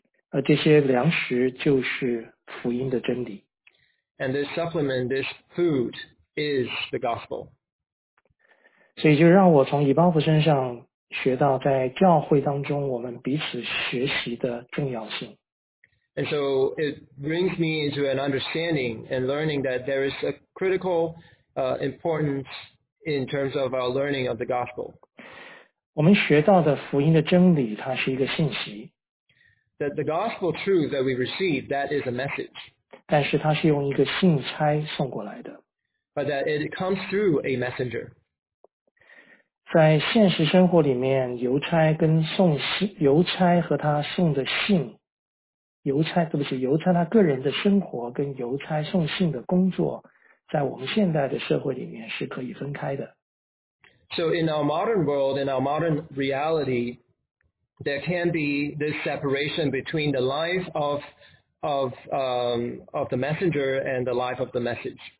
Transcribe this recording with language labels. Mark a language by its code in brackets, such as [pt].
[zh] 而这些粮食就是福音的真理。 [en] And this supplement, this food, is the gospel. [zh] 所以就让我从以巴弗身上学到在教会当中我们彼此学习的重要性。 [en] And so it brings me into an understanding and learning that there is a critical importance in terms of our learning of the gospel. [zh] 我们学到的福音的真理，它是一个信息。 [en] That the gospel truth that we receive, that is a message. [zh] 但是它是用一个信差送过来的。 [en] But that it comes through a messenger. [zh] 在现实生活里面，邮差跟送信，邮差和他送的信。邮差他个人的生活跟邮差送信的工作，在我们现代的社会里面是可以分开的。 [en] So in our modern world, in our modern reality, there can be this separation between the life of the messenger and the life of the message.